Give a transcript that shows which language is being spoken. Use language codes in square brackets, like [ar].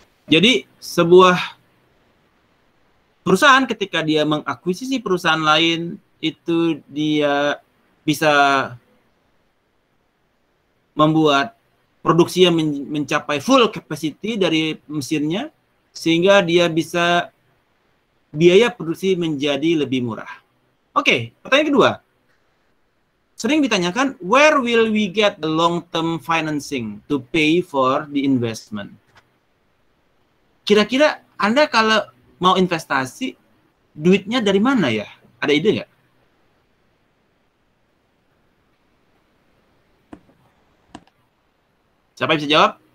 [id] Jadi sebuah perusahaan ketika dia mengakuisisi perusahaan lain, itu dia bisa membuat produksinya mencapai full capacity dari mesinnya, sehingga dia bisa biaya produksi menjadi lebih murah. Oke, pertanyaan kedua. Sering ditanyakan, [en] where will we get the long-term financing to pay for the investment? [id] Kira-kira Anda kalau mau investasi, duitnya dari mana ya? Ada ide nggak? Siapa yang bisa jawab?